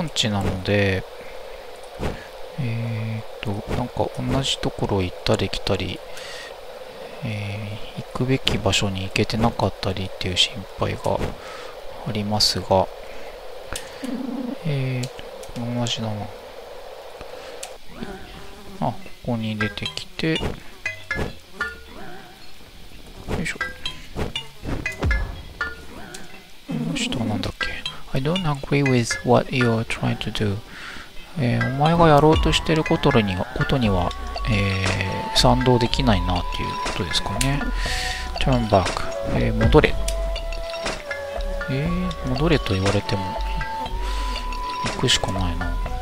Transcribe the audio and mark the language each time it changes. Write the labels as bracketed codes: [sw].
[ja] なので、なんか同じところ行ったり来たり、行くべき場所に行けてなかったりっていう心配がありますが、同じだな。ここに出てきて、よいしょ。この人は何だっけ。 [en] I don't agree with what you're trying to do. [ja] お前がやろうとしてることには、賛同できないなっていうことですかね。 [en] Turn back. [ja] 戻れ。戻れと言われても、行くしかないな。